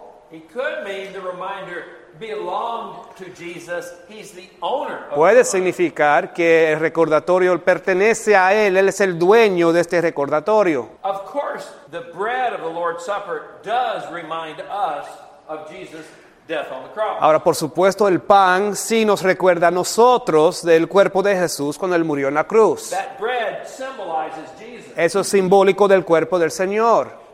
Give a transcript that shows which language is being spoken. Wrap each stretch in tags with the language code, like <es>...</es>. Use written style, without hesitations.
<en>it could mean the reminder belonged to Jesus. He's the owner.</en> <es>Puede significar que el recordatorio pertenece a él. Él es el dueño de este recordatorio.</es> <en>Of course, the bread of the Lord's Supper does remind us of Jesus' death on the cross.</en> <es>Ahora, por supuesto, el pan sí nos recuerda a nosotros del cuerpo de Jesús cuando él murió en la cruz.</es> <en>That bread symbolizes Jesus.</en> <es>Eso es simbólico del cuerpo del Señor.</es>